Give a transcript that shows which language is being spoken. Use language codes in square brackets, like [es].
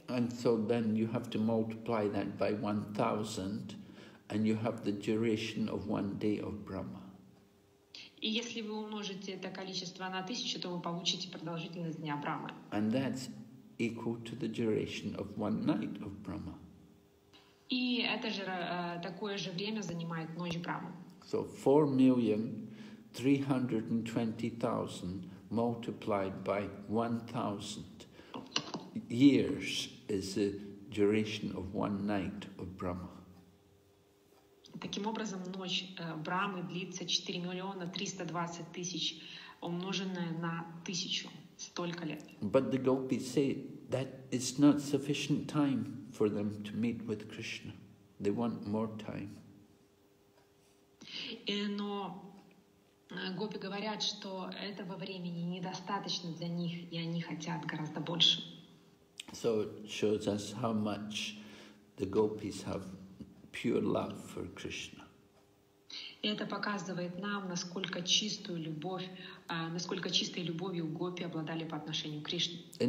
[en] And so then you have to multiply that by 1,000, and you have the duration of one day of Brahma. [ru] И если вы умножите это количество на тысячу, то вы получите продолжительность дня Брахмы. [en] And that's equal to the duration of one night of Brahma. [ru] И это же такое же время занимает ночь Брахмы. [en] So 4,320,000 multiplied by 1,000 years is the duration of one night of Brahma. [ru] Таким образом, ночь Брахмы длится 4,320,000, умноженное на тысячу, столько лет. [en] But the gopis say that it's not sufficient time for them to meet with Krishna. They want more time. [ru] Но гопи говорят, что этого времени недостаточно для них, и они хотят гораздо больше. [en] So it shows us how much the gopis have pure love for Krishna. [ru] И это показывает нам, насколько чистой любовью гопи обладали по отношению к Кришне.